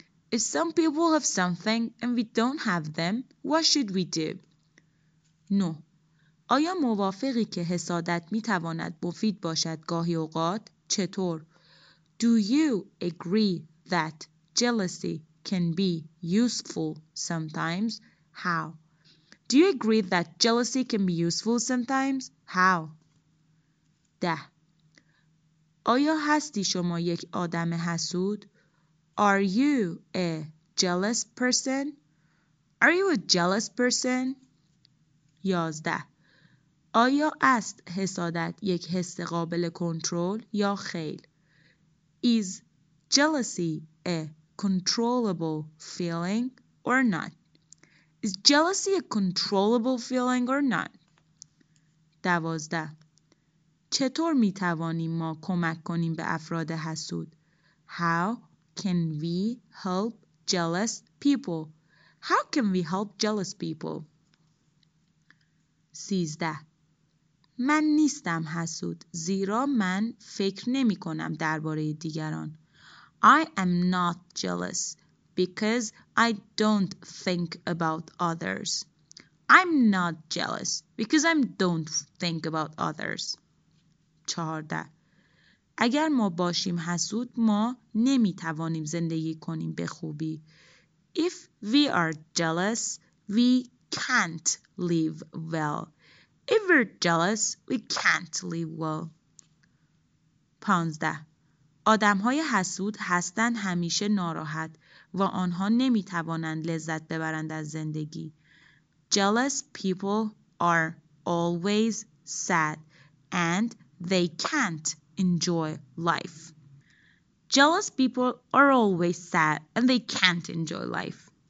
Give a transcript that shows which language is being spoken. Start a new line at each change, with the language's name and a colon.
English: If some people have something and we don't have them, what should we do? No.
Persian: آیا موافقی که حسادت میتواند مفید باشد گاهی اوقات؟ چطور؟
English: Do you agree that jealousy can be useful sometimes? How? Do you agree that jealousy can be useful sometimes? How? 10.
Persian: آیا هستی شما یک آدم حسود؟
English: Are you a jealous person? Are you a jealous person? 11.
Persian: آیا است حسادت یک حس قابل کنترل یا خیر؟
English: Is jealousy a controllable feeling or not? Is jealousy a controllable feeling or not? 12.
Persian: چطور می توانیم ما کمک کنیم به افراد حسود؟
English: How can we help jealous people? How can we help jealous people? 13.
Persian: من نیستم حسود، زیرا من فکر نمی کنم درباره دیگران.
English: I am not jealous because I don't think about others. I'm not jealous because I don't think about others. 14.
Persian: اگر ما باشیم حسود، ما نمی توانیم زندگی کنیم به خوبی.
English: If we are jealous, we can't live well. If we're jealous, we can't live well. 15.
Persian: آدم های حسود هستند همیشه ناراحت و آنها نمی توانند لذت ببرند از زندگی.
English: Jealous people are always sad and they can't enjoy life. Jealous people are always sad and they can't enjoy life.